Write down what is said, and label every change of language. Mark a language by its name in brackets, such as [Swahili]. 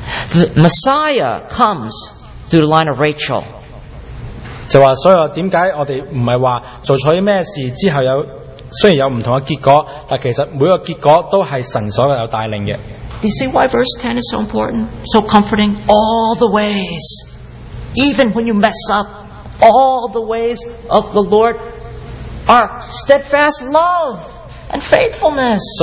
[English] The Messiah comes through the line of Rachel. [Chinese] 就是说,为什么我们不是说做错什么事,之后虽然有不同的结果,但其实每个结果都是神所有带领的。 [English] Do you see why verse 10 is so important? So comforting. All the ways, even when you mess up, all the ways of the Lord are steadfast love and faithfulness.